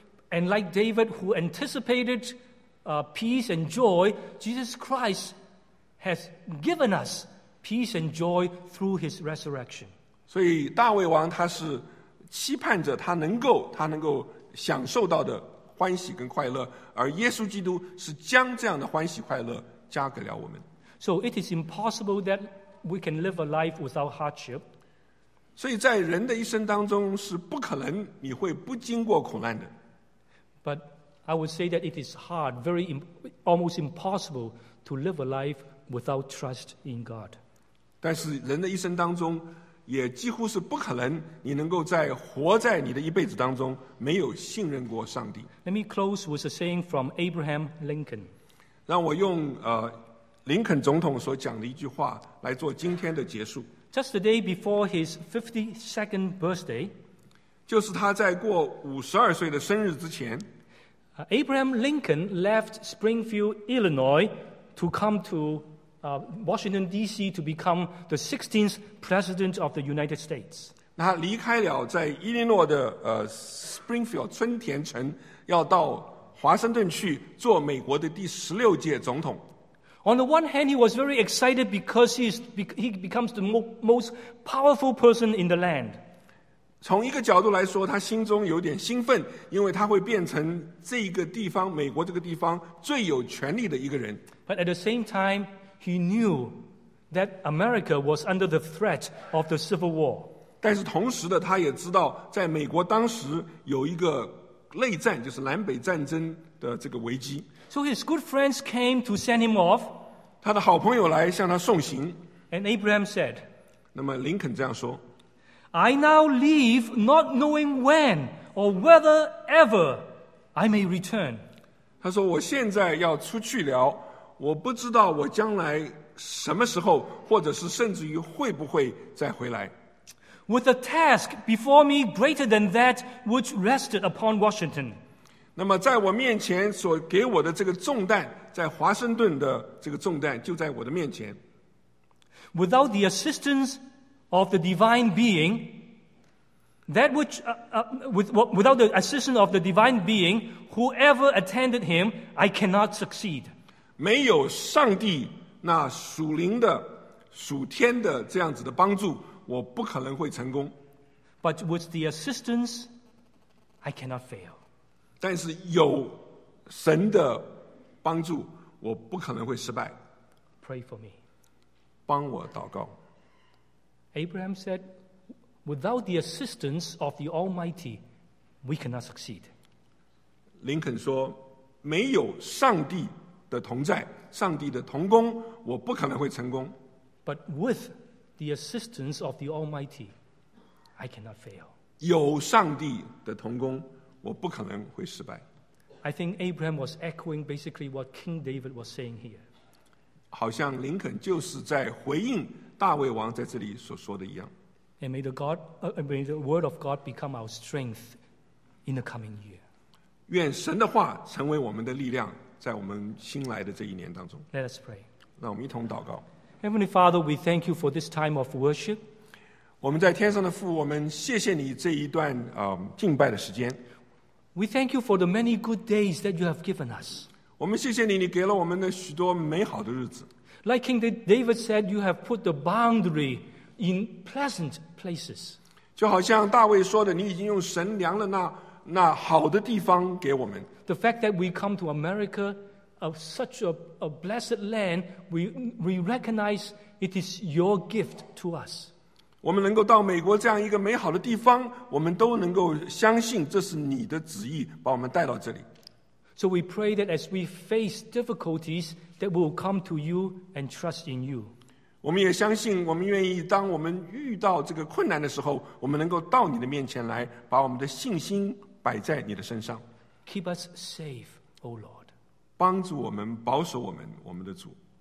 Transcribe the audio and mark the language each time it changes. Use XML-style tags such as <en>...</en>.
<en>And like David, who anticipated peace and joy, Jesus Christ has given us peace and joy through his resurrection.</en> <zh>所以大卫王他是期盼着他能够享受到的欢喜跟快乐，而耶稣基督是将这样的欢喜快乐加给了我们。</zh> <en>So it is impossible that we can live a life without hardship.</en> <zh>所以在人的一生当中是不可能你会不经过苦难的。</zh> <en>But I would say that it is hard, very almost impossible to live a life without trust in God.</en> <zh>但是人的一生当中也几乎是不可能你能够在活在你的一辈子当中没有信任过上帝。</zh> <en>Let me close with a saying from Abraham Lincoln.</en> <zh>让我用林肯总统所讲的一句话来做今天的结束。</zh> <en>Just the day before his 52nd birthday,</en> <zh>就是他在过52岁的生日之前，</zh> <en>Abraham Lincoln left Springfield, Illinois to come to Washington, D.C. to become the 16th President of the United States.</en> <zh>他离开了在伊利诺的Springfield, 春田城，要到华盛顿去做美国的第十六届总统。</zh> <en>On the one hand, he was very excited because he becomes the most powerful person in the land.</en> <zh>从一个角度来说，他心中有点兴奋，因为他会变成这个地方，美国这个地方最有权力的一个人。</zh> <en>But at the same time,He knew that America was under the threat of the Civil War.</en> <zh>但是同时的，他也知道，在美国当时有一个内战，就是南北战争的这个危机。</zh> <en>So his good friends came to send him off.</en> <zh>他的好朋友来向他送行。</zh> <en>And Abraham said,</en> <zh>那么林肯这样说，</zh> <en>I now leave not knowing when or whether ever I may return.</en> <zh>他说我现在要出去了，我不知道我将来什么时候，或者是甚至于会不会再回来。</zh> <en>With a task before me greater than that which rested upon Washington.</en> <zh>那么在我面前所给我的这个重担，在华盛顿的这个重担就在我的面前。</zh> <en>Without the assistance of the divine being, that which without the assistance of the divine being, whoever attended him, I cannot succeed.</en> <zh>没有上帝那属灵的、属天的这样子的帮助，我不可能会成功。</zh> <en>But with the assistance, I cannot fail.</en> <zh>但是有神的帮助，我不可能会失败。</zh> <en>Pray for me.</en> <zh>帮我祷告。</zh> <en>Abraham said, "Without the assistance of the Almighty, we cannot succeed."</en> <zh>林肯说，没有上帝。的同在，上帝的同工，我不可能会成功。</zh> <en>But with the assistance of the Almighty, I cannot fail.</en> <zh>有上帝的同工，我不可能会失败。</zh> <en>I think Abraham was echoing basically what King David was saying here.</en> <zh>好像林肯就是在回应大卫王在这里所说的一样。</zh> <en>And may the God, may the word of God become our strength in the coming year.</en> <zh>愿神的话成为我们的力量。在我们新来的这一年当中，</zh> <en>Let us pray.</en> <zh>让我们一同祷告。</zh> <en>Heavenly Father, we thank you for this time of worship.</en> <zh>我们在天上的父，我们谢谢你这一段敬拜的时间。</zh> <en>We thank you for the many good days that you have given us.</en> <zh>我们谢谢你，你给了我们的许多美好的日子。</zh> <en>Like King David said, you have put the boundary in pleasant places.</en> <zh>就好像大卫说的，你已经用神量了那那好的地方给我们。</zh> <en>The fact that we come to America, of such a blessed land, we recognize it is your gift to us.</en> <zh>我们能够到美国这样一个美好的地方，我们都能够相信这是你的旨意把我们带到这里。</zh> <en>So we pray that as we face difficulties, that we'll come to you and trust in you.</en> <zh>我们也相信，我们愿意当我们遇到这个困难的时候，我们能够到你的面前来，把我们的信心摆在你的身上。</zh> <en>Keep us safe, O Lord.</en> <zh>帮助我们，保守我们，我们的主。</zh>